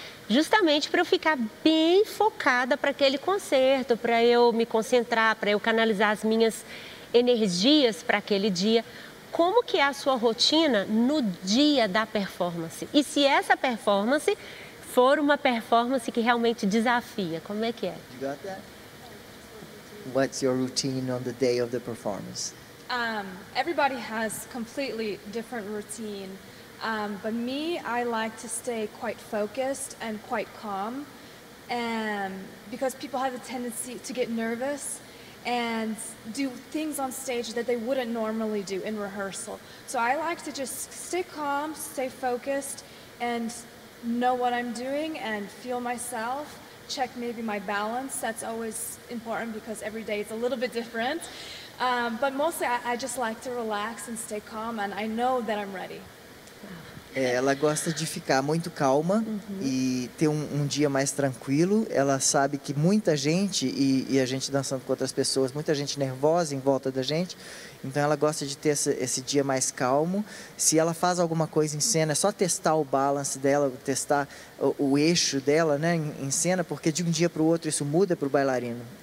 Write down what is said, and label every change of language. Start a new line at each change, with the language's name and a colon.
Portuguese: Justamente para eu ficar bem focada para aquele concerto, para eu me concentrar, para eu canalizar as minhas energias para aquele dia. Como que é a sua rotina no dia da performance? E se essa performance for uma performance que realmente desafia, como é que é?
English: You got that? What's your routine on the day of the performance? Everybody has completely different routine. But me, I like to stay quite focused and quite calm, and because people have a tendency to get nervous and do things on stage that they wouldn't normally do in rehearsal. So I like to just stay calm, stay focused, and know what I'm doing and feel myself, check maybe my balance. That's always important because every day it's a little bit different. But mostly I just like to relax and stay calm, and I know that I'm ready.
Portuguese: Ela gosta de ficar muito calma e ter um dia mais tranquilo. Ela sabe que muita gente, e a gente dançando com outras pessoas, muita gente nervosa em volta da gente. Então, ela gosta de ter esse dia mais calmo. Se ela faz alguma coisa em cena, é só testar o balance dela, testar o eixo dela, né, em cena, porque de um dia para o outro isso muda para o bailarino.